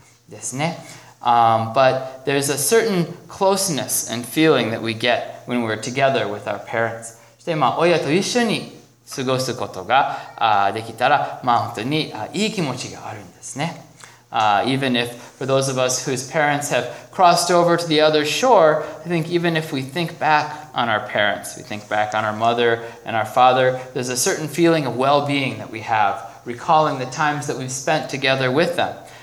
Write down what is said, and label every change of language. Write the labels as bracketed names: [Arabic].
[English] But there's a certain closeness and feeling that we get when we're together with our parents. [Japanese] そして親と一緒に 過ごすことができたら本当にいい気持ちがあるんですね。 [English] Even if, for those of us whose parents have crossed over to the other shore, I think even if we think back on our parents, we think back on our mother and our father, there's a certain feeling of well-being that we have, recalling the times that we've spent together with them.